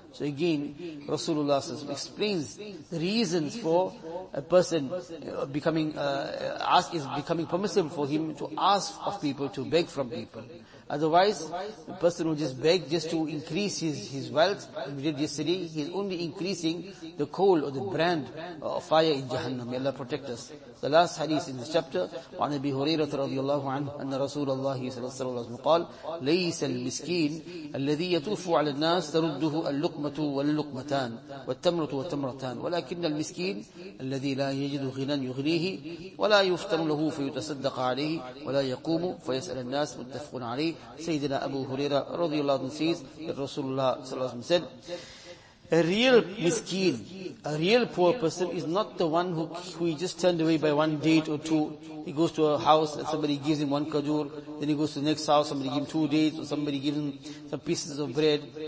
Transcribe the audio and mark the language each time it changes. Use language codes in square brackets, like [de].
[en] So again, Rasulullah sallallahu alaihi wasallam explains the reasons for a person becoming becoming permissible for him to ask of people, to beg from people. Otherwise, a person will just beg just to increase his wealth. We did yesterday, he is only increasing the coal or the brand of fire in Jahannam. May Allah protect us. The last hadith in this chapter, [ar] وعن أبي هريرة رضي الله عنه أن رسول الله صلى الله عليه وسلم قال ليس المسكين الذي يطوف على الناس ترده اللقمة واللقمتان والتمرة والتمرتان ولكن المسكين الذي لا يجد غنى يغنيه ولا يفطر له فيتصدق عليه ولا يقوم فيسأل الناس متفق عليه. [en] Sayyidina Abu Huraira radiallahu anhu says that Rasulullah sallallahu alayhi wa sallam said, a real miskeen, a real poor person is not the one who he just turned away by one date or two. He goes to a house and somebody gives him one kajur, then he goes to the next house, somebody gives him 2 dates, or somebody gives him some pieces of bread.